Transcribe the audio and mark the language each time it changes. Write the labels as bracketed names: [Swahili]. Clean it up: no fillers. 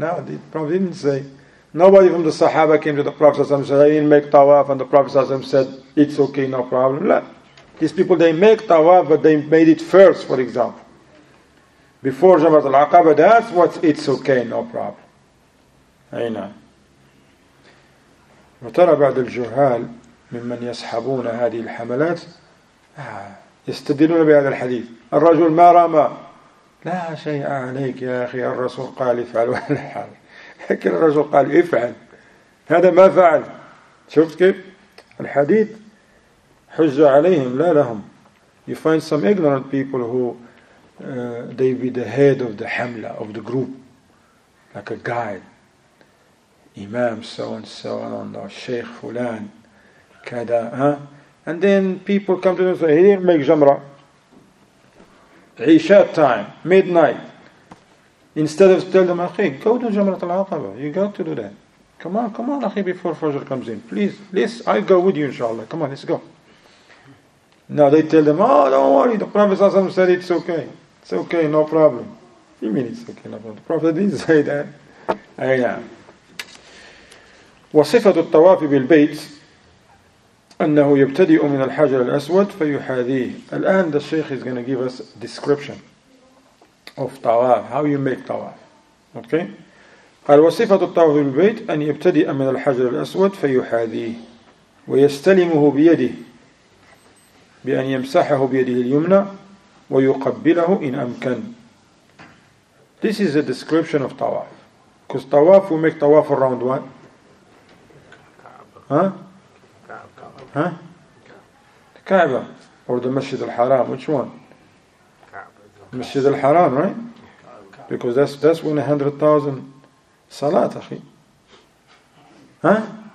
[English] No, the Prophet didn't say. Nobody from the Sahaba came to the Prophet and said, I didn't make tawaf. And the Prophet said, it's okay, no problem. No. These people, they make tawaf, but they made it first, for example. Before Jamrat al-Aqaba, that's what it's okay, no problem. I know. [Arabic] وَتَرَى بَعْدَ الْجُهَالِ ممن يسحبون هذه الحملات يستدلون بهذا الحديث الرجل ما رمى لا شيء عليك يا أخي الرسول قال افعل ولا حرج لكن الرسول قال افعل هذا ما فعل شفت كيف الحديث حجة عليهم لا لهم [English] you find some ignorant people who they be the head of the hamla of the group like a guide imam so and so and sheikh fulan Kada, huh? And then people come to him and say, he didn't make Jamra. Isha time, midnight. Instead of telling them, Akhi, go to Jamrat al-Aqaba. You got to do that. Come on, Akhi, before Fajr comes in. Please, I'll go with you, inshallah. Come on, let's go. Now they tell them, oh, don't worry. The Prophet said it's okay. It's okay, no problem. You mean it's okay, no problem. The Prophet didn't say that. [Arabic] Ayah. Wasifatu al-tawaf bil-bayt. أنه يبتدئ من الحجر الأسود فيحاذيه. الآن [English] the Sheikh is going to give us a description of tawaf. How you make tawaf. Okay. [Arabic] قال وصفة الطواف بالبيت أن يبتدئ من الحجر الأسود فيحاذيه ويستلمه بيده بأن يمسحه بيده اليمنى ويقبله إن أمكن. [English] This is a description of tawaf. Because tawaf, we make tawaf around what? Huh? The Kaaba or the Masjid al-Haram, which one? Kaaba. Masjid al-Haram, right? Because that's when 100,000 salat, akhi. Huh?